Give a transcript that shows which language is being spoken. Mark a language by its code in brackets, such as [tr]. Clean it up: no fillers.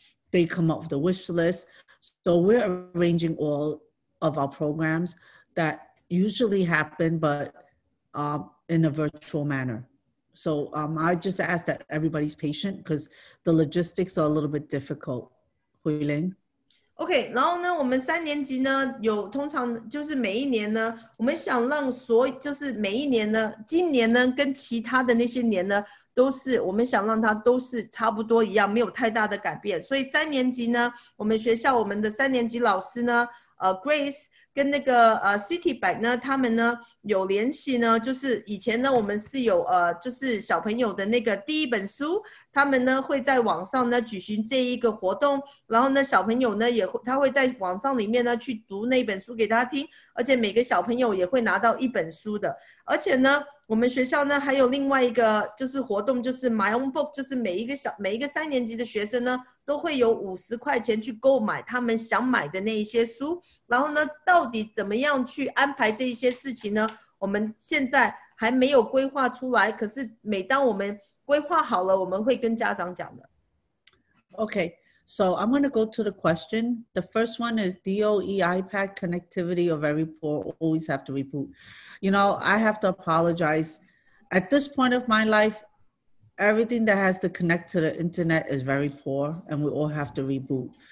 [en] They come up with a wish list. So we're arranging all of our programs that usually happen, but in a virtual manner. So I just ask that everybody's patient because the logistics are a little bit difficult. Huiling. [zh] OK, 然后呢我们三年级呢有通常就是每一年呢我们想让所就是每一年呢今年呢跟其他的那些年呢都是我们想让它都是差不多一样没有太大的改变。所以三年级呢我们学校我们的三年级老师呢Grace 跟那个Citibank 呢他们呢有联系呢就是以前呢我们是有就是小朋友的那个第一本书他们呢会在网上呢举行这一个活动然后呢小朋友呢也会他会在网上里面呢去读那本书给他听而且每个小朋友也会拿到一本书的而且呢我们学校呢还有另外一个就是活动就是 My Own Book 就是每一个小每一个三年级的学生呢都会有50块钱去购买他们想买的那一些书然后呢到底怎么样去安排这一些事情呢我们现在还没有规划出来可是每当我们规划好了我们会跟家长讲的 [en] Okay, so I'm going to go to the question. The first one is DOE iPad connectivity are very poor, always have to reboot. You know, I have to apologize. At this point of my life, everything that has to connect to the internet is very poor and we all have to reboot.